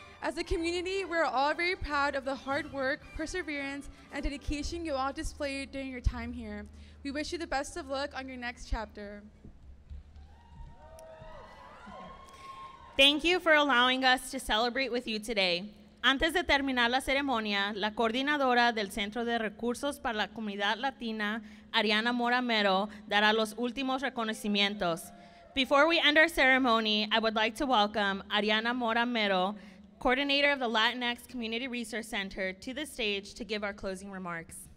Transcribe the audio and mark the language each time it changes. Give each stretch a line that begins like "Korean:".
English: As a community, we're all very proud of the hard work, perseverance, and dedication you all displayed during your time here. We wish you the best of luck on your next chapter. Thank you for allowing us to celebrate with you today.
Spanish: Antes de terminar la ceremonia, la coordinadora del Centro de Recursos para la Comunidad Latina, Ariana Mora Mero, dará los últimos reconocimientos.
English: Before we end our ceremony, I would like to welcome Ariana Mora Mero, coordinator of the Latinx Community Resource Center, to the stage to give our closing remarks.